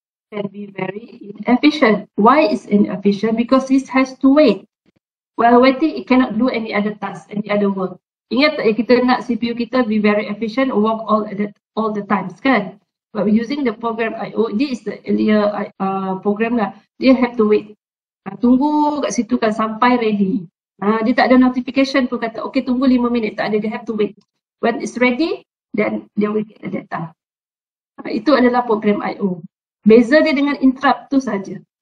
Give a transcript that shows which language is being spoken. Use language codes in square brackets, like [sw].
[en] Can be very inefficient. Why is inefficient? Because this has to wait. While waiting, it cannot do any other tasks, any other work. [ms] Ingat, kita nak CPU kita [en] be very efficient, work all the time, kan? But using the program I/O, this is the earlier program lah. Dia have to wait. [ms] Tunggu kat situ kan sampai ready. Dia tak ada notification pun kata, okay, tunggu 5 minit. Tak ada, dia [en] have to wait. When it's ready, then they will get the data. [ms] Itu adalah program I/O. Beza dia dengan interrupt tu saja.